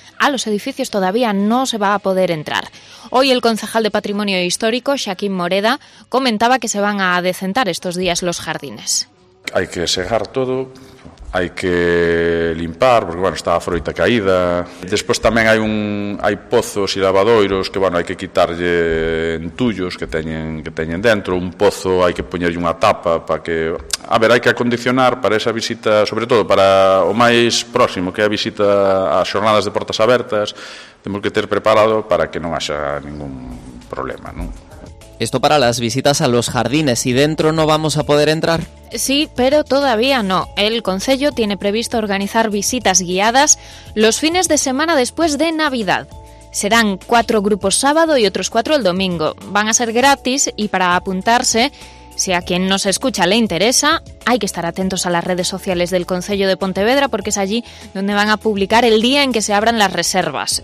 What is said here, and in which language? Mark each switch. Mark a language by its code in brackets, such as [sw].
[es] A los edificios todavía no se va a poder entrar. Hoy el concejal de Patrimonio Histórico, Xaquín Moreda, comentaba que se van a adecentar estos días los jardines. Hay que segar todo, [gl] hay que limpar, porque bueno, está a froita caída. [es] Después también hay pozos y lavadoiros que bueno, hay que quitarle entullos [gl] que teñen dentro. Un pozo hay que poñerlle unha tapa para que... A ver, [es] hay que acondicionar para esa visita, [gl] sobre todo para o máis próximo, que é a visita ás xornadas de portas abertas. Temos que ter preparado para que non haxa ningún problema, non? [es] Esto para las visitas a los jardines. ¿Y dentro no vamos a poder entrar? Sí, pero todavía no. El concello tiene previsto organizar visitas guiadas los fines de semana después de Navidad. Serán 4 grupos sábado y otros 4 el domingo. Van a ser gratis y para apuntarse, si a quien nos escucha le interesa, hay que estar atentos a las redes sociales del Concello de Pontevedra, porque es allí donde van a publicar el día en que se abran las reservas.